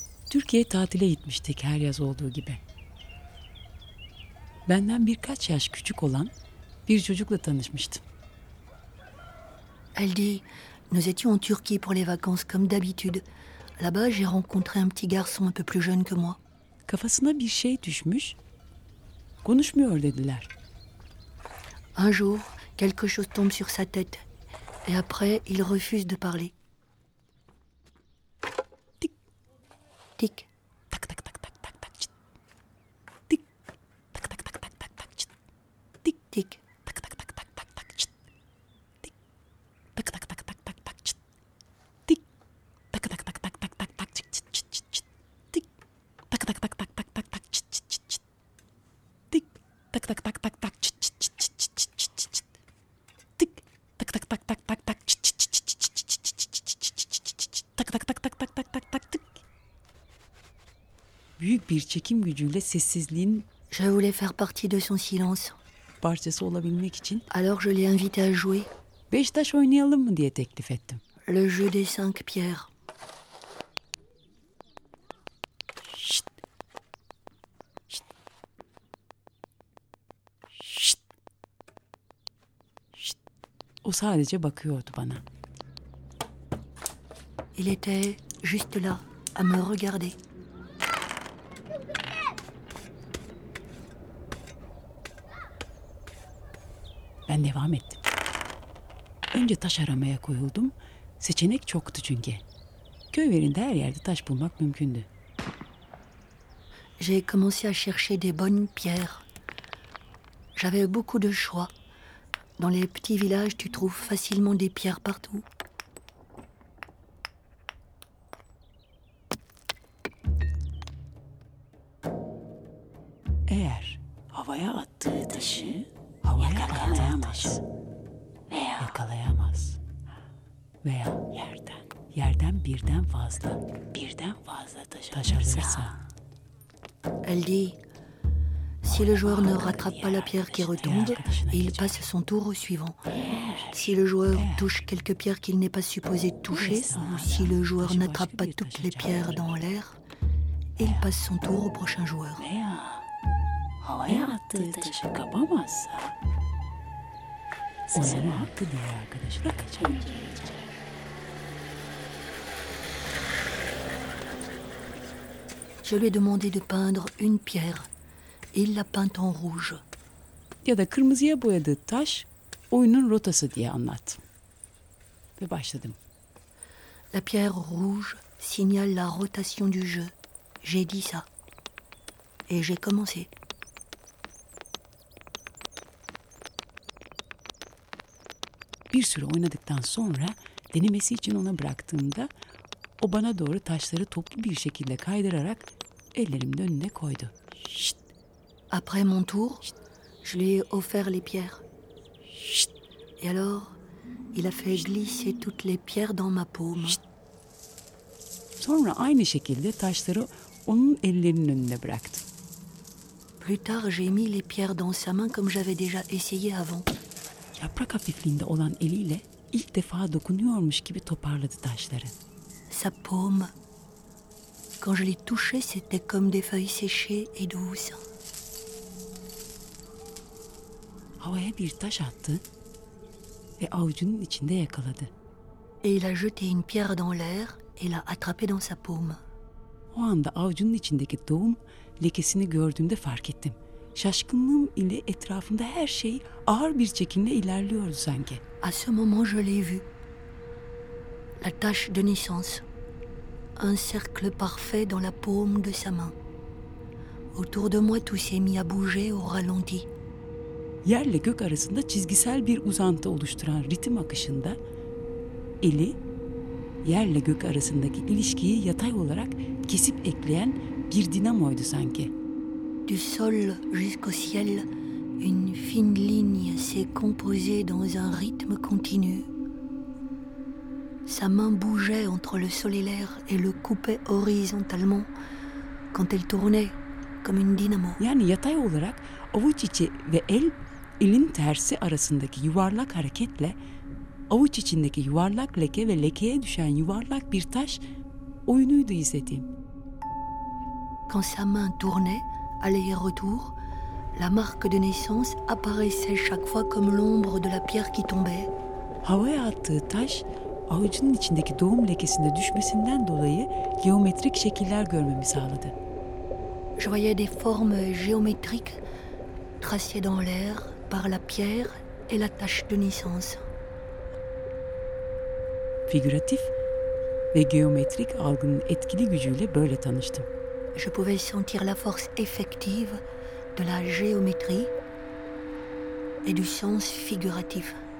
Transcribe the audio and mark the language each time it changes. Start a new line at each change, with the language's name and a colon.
Turkish: Türkiye tatile gitmiştik her yaz olduğu gibi. Benden birkaç yaş küçük olan bir çocukla tanışmıştım.
French: Elle dit, nous étions en Turquie pour les vacances comme d'habitude. Là-bas, j'ai rencontré un petit garçon un peu plus jeune que moi.
Turkish: Kafasına bir şey düşmüş. Konuşmuyor dediler.
French: Un jour, quelque chose tombe sur sa tête et après, il refuse de parler. Tik. Tak tak tak tak tak tak. Tik. Tak tak tak tak tak tak. Tik tik. Tak tak tak tak tak tak. Tik. Tak tak tak tak tak tak. Tik. Tak tak tak tak tak tak tak. Tik. Tak tak tak tak tak tak. Tik. Tak tak tak tak tak. Tik. Tak tak tak tak tak. Tak tak tak tak tak tak tak tak tak tak.
Turkish: Büyük bir çekim gücüyle sessizliğin
French: je voulais faire partie de son silence.
Turkish: Parçası olabilmek için
French: alors je l'ai invité à jouer.
Turkish: Beş taş oynayalım mı diye teklif ettim.
French: Le jeu des cinq pierres. Şşt. Şşt. Şşt. Şşt.
Turkish: O sadece bakıyordu bana.
French: Il était juste là à me regarder.
Turkish: Ben devam ettim. Önce taş aramaya koyuldum. Seçenek çoktu çünkü. Köylerinde her yerde taş bulmak mümkündü.
French: J'ai commencé à chercher des bonnes pierres. J'avais beaucoup de choix. Dans les petits villages, tu trouves facilement des pierres partout.
Turkish: Eğer havaya attığı taşı yakalayamaz. Veya. Yakalayamaz. Veya. Yerden. Yerden birden fazla. Birden fazla taş alırsa.
French: Elle dit, si le joueur ne rattrape pas la pierre qui retombe, il passe son tour au suivant. Si le joueur touche quelques pierres qu'il n'est pas supposé toucher, ou si le joueur n'attrape pas toutes les pierres dans l'air, il passe son tour au prochain joueur.
Turkish: Havaya attığı taşı kapamazsa onun hakkı diğer arkadaşına kaçamayacak.
French: Je lui ai demandé de peindre une pierre. Il l'a peinte en rouge.
Turkish: Ya da kırmızıya boyadığı taş oyunun rotası diye anlat. Ve başladım.
French: La pierre rouge signale la rotation du jeu. J'ai dit ça. Et j'ai commencé.
Turkish: Bir süre oynadıktan sonra denemesi için ona bıraktığımda o bana doğru taşları toplu bir şekilde kaydırarak ellerimin önüne koydu.
French: Şşt. Après mon tour, Şşt. Je lui ai offert les pierres. Şşt. Et alors, il a fait Şşt. Glisser toutes les pierres dans ma paume. Şşt.
Turkish: Sonra aynı şekilde taşları onun ellerinin önüne bıraktım.
French: Plus tard, j'ai mis les pierres dans sa main comme j'avais déjà essayé avant.
Turkish: Yaprak hafifliğinde olan eliyle ilk defa dokunuyormuş gibi toparladı taşları.
French: Sa paume. Quand je l'ai touché, c'était comme des feuilles séchées et douces.
Turkish: Havaya bir taş attı ve avucunun içinde yakaladı.
French: Et il a jeté une pierre dans l'air et l'a attrapée dans sa paume.
Turkish: O anda avucunun içindeki doğum lekesini gördüğümde fark ettim. Şaşkınlığım ile etrafımda her şey ağır bir çekimle ilerliyordu sanki.
French: À ce moment je l'ai vu. La tache de naissance. Un cercle parfait dans la paume de sa main. Autour de moi tout s'est mis à bouger au ralenti.
Turkish: yerle gök arasında çizgisel bir uzantı oluşturan ritim akışında eli yerle gök arasındaki ilişkiyi yatay olarak kesip ekleyen bir dinamoydu sanki.
French: Du sol jusqu'au ciel, une fine ligne s'est composée dans un rythme continu. Sa main bougeait entre le sol et l'air et le coupait horizontalement quand elle tournait comme une dynamo.
Turkish: Yani yatay olarak avuç içi ve elin tersi arasındaki yuvarlak hareketle avuç içindeki yuvarlak leke ve lekeye düşen yuvarlak bir taş oyunuydu izlediğim.
French: Quand sa main tournait, aller et retour, la marque de naissance apparaissait chaque fois comme l'ombre de la pierre qui tombait.
Turkish: Havaya attığı taş avucunun içindeki doğum lekesinde düşmesinden dolayı geometrik şekiller görmemi sağladı.
French: Je voyais des formes géométriques tracées dans l'air par la pierre et la tache de naissance.
Turkish: Figüratif ve geometrik algının etkili gücüyle böyle tanıştım.
French: Je pouvais sentir la force effective de la géométrie et du sens figuratif.